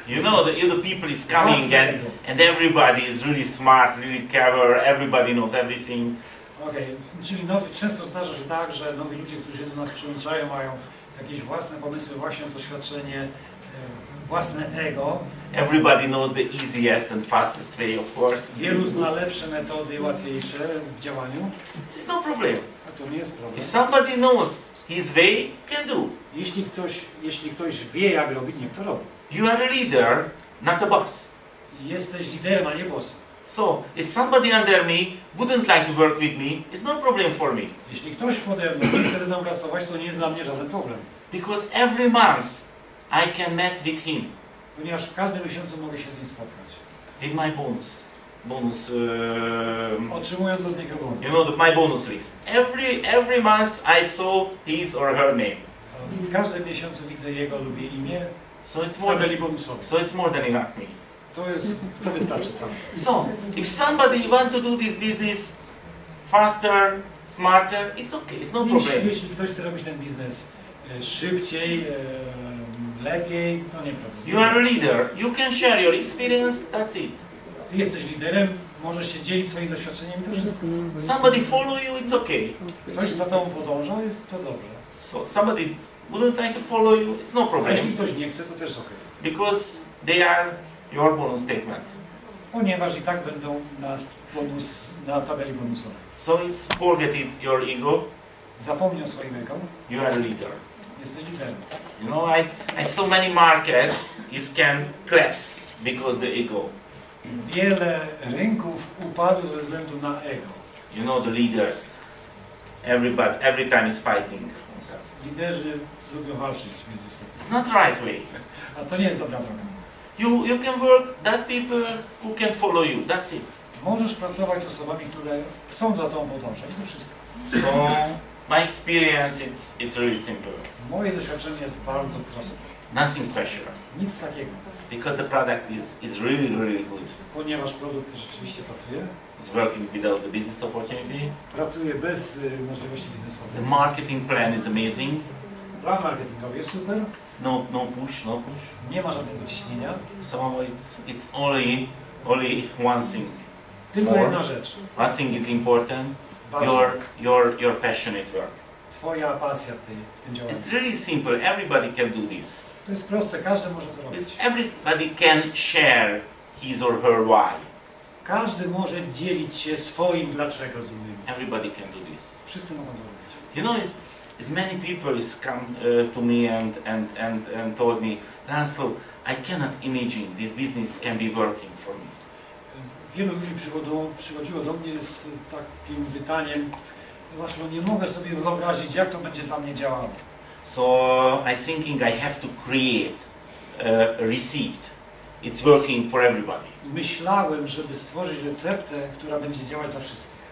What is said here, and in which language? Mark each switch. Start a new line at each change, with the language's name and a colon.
English: You know that the people is coming and everybody is really smart, really clever. Everybody knows everything. Okay.
Polish: Czyli nowi, często zdarza się tak, że nowi ludzie, którzy do nas przyłączają, mają jakieś własne pomysły, własne doświadczenie, własne ego.
English: Everybody knows the easiest and fastest way, of course.
Polish: Wielu zna lepsze metody, łatwiejsze w działaniu.
English: It's no problem.
Polish: A to nie jest problem.
English: If somebody knows his way, can do.
Polish: Jeśli ktoś wie, jak robić, niech to robi.
English: You are a leader, not a boss.
Polish: Jesteś liderem, a nie bossem.
English: So, if somebody under me wouldn't like to work with me, it's no problem for me.
Polish: Jeśli ktoś pode mnie nie chce nam pracować, to nie jest dla mnie żaden problem.
English: Because every month I can meet with him.
Polish: Ponieważ w każdym miesiącu mogę się z nim spotkać.
English: With my bonus. Bonus.
Polish: Otrzymując od niego bonus.
English: You know, my bonus list. Every month I saw his or her name.
Polish: W każdym miesiącu widzę jego lub jej imię.
English: So it's more than
Polish: bonusowy.
English: So it's more than enough me.
Polish: To wystarczy tam.
English: So, if somebody want to do this business faster, smarter, it's okay, it's no problem.
Polish: Jeśli ktoś chce robić ten biznes szybciej, lepiej, to nie problem.
English: You are a leader, you can share your experience, that's it.
Polish: Ty jesteś liderem, możesz się dzielić swoim doświadczeniem i to wszystko.
English: Somebody follow you, it's okay.
Polish: Ktoś za tobą podąża, jest to dobrze.
English: So, somebody wouldn't like to follow you, it's no problem.
Polish: A jeśli ktoś nie chce, to też okay.
English: Because they are your bonus statement.
Polish: Ponieważ i tak będą nas bonus na tabeli bonusowej.
English: So it's forget it, your ego.
Polish: Zapomnij o swoim ego.
English: You are a leader.
Polish: Jesteś liderem.
English: You know, I so many market is can collapse because the ego.
Polish: Wiele rynków upadło ze względu na ego.
English: You know the leaders. Everybody, every time is fighting himself.
Polish: Liderzy lubią walczyć między sobą.
English: It's not right way.
Polish: A to nie jest dobra droga.
English: You can work that people who can follow you. That's it.
Polish: Możesz pracować z osobami, które chcą za tobą podążać. To wszystko.
English: So, my experience it's really simple.
Polish: Moje doświadczenie jest bardzo proste.
English: Nothing special.
Polish: Nic takiego.
English: Because the product is really really good.
Polish: Ponieważ produkt rzeczywiście pracuje.
English: It's working without the business opportunity.
Polish: Pracuje bez możliwości biznesowej.
English: The marketing plan is amazing.
Polish: Plan marketingowy jest super.
English: No push.
Polish: Nie ma żadnego ciśnienia.
English: So it's only one thing.
Polish: Tylko jedna rzecz.
English: One thing is important.
Polish: Ważne.
English: Your passionate work.
Polish: Twoja pasja w tym działaniu.
English: It's really simple. Everybody can do this.
Polish: To jest proste. Każdy może to robić.
English: Everybody can share his or her why.
Polish: Każdy może dzielić się swoim dlaczego z innymi.
English: Everybody can do this.
Polish: Wszyscy mogą to robić.
English: You know, as many people is come to me and told me, Laszlo, I cannot imagine this business can be working for me.
Polish: Wielu ludzi przychodziło do mnie z takim pytaniem, Laszlo, nie mogę sobie wyobrazić, jak to będzie dla mnie działało.
English: So I thinking I have to create a receipt. It's working for everybody.
Polish: Myślałem, żeby stworzyć receptę, która będzie działać dla wszystkich.